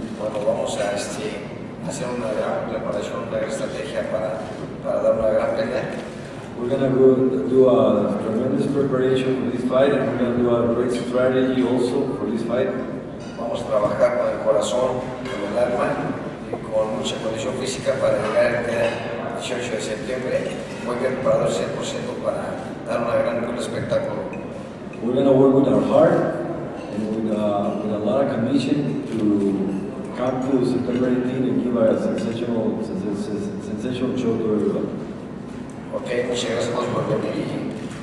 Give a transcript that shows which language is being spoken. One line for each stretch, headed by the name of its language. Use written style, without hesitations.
Spanish: Bueno, vamos a hacer una gran preparación, una gran estrategia para dar una gran pelea.
English: We're gonna go do a tremendous preparation for this fight, and we're gonna do a great strategy also for this fight.
Spanish: Vamos a trabajar con el corazón, con el alma, y con mucha condición física para llegar el 18 de septiembre muy bien preparado 100% para dar una gran espectáculo.
English: We're gonna work with our heart and with a lot of commission to come to September 18 and give a sensational show to everybody.
Spanish: Okay, muchas gracias por venir.